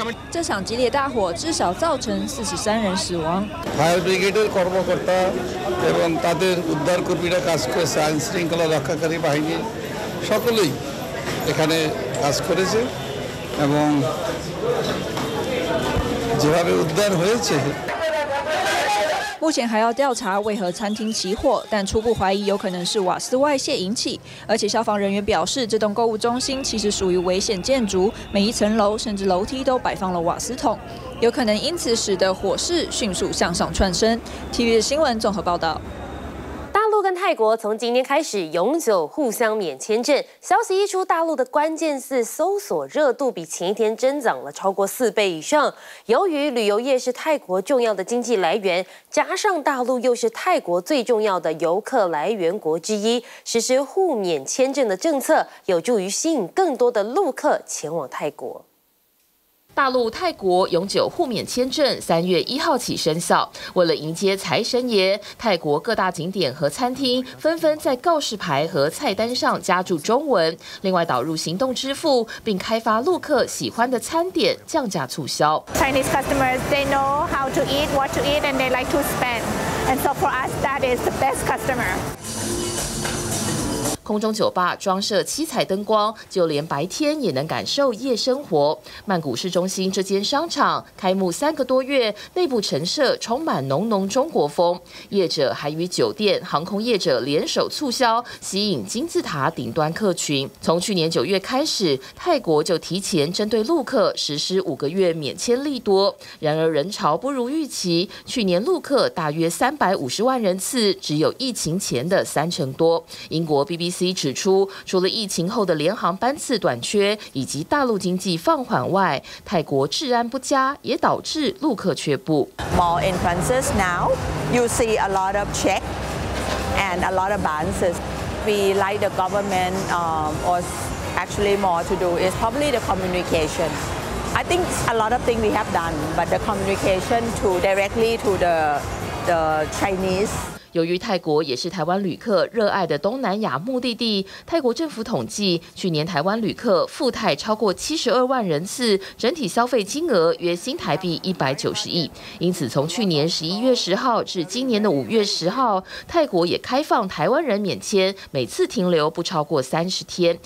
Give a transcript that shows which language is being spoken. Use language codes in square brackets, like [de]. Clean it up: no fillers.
[zh] 这场激烈大火至少造成43人死亡。 [bn] Fire brigade কর্মকর্তা এবং তাদের উদ্ধার কর্মীরা কাজ করেছে, আইন শৃঙ্খলা রক্ষাকারী বাহিনী সকলেই এখানে কাজ করেছে এবং যেভাবে উদ্ধার হয়েছে。 [zh] 目前还要调查为何餐厅起火，但初步怀疑有可能是瓦斯外泄引起。而且消防人员表示，这栋购物中心其实属于危险建筑，每一层楼甚至楼梯都摆放了瓦斯桶，有可能因此使得火势迅速向上窜升。 TVBS 新闻综合报道。大陆跟泰国从今天开始永久互相免签证，消息一出，大陆的关键字搜索热度比前一天增长了超过4倍以上。由于旅游业是泰国重要的经济来源，加上大陆又是泰国最重要的游客来源国之一，实施互免签证的政策有助于吸引更多的陆客前往泰国。大陆泰国永久互免签证3月1号起生效，为了迎接财神爷，泰国各大景点和餐厅纷纷在告示牌和菜单上加注中文，另外导入行动支付，并开发陆客喜欢的餐点降价促销。 [en] Chinese customers, they know how to eat, what to eat, and they like to spend, and so for us that is the best customer。 [zh] 空中酒吧装设七彩灯光，就连白天也能感受夜生活。曼谷市中心这间商场开幕3个多月，内部陈设充满浓浓中国风，业者还与酒店、航空业者联手促销，吸引金字塔顶端客群。从去年9月开始，泰国就提前针对陆客实施5个月免签利多，然而人潮不如预期，去年陆客大约350万人次，只有疫情前的3成多。英国 BBC 指出，除了疫情后的联航班次短缺以及大陆经济放缓外，泰国治安不佳也导致陆客却步。 [en] More entrances now, you see a lot of check and a lot of bounces. We like the government, or actually more to do is probably the communication. I think a lot of things we have done, but the communication to directly to the Chinese. [zh] 由于泰国也是台湾旅客热爱的东南亚目的地，泰国政府统计，去年台湾旅客赴泰超过72万人次，整体消费金额约新台币190亿。因此，从去年11月10号至今年的5月10号，泰国也开放台湾人免签，每次停留不超过30天。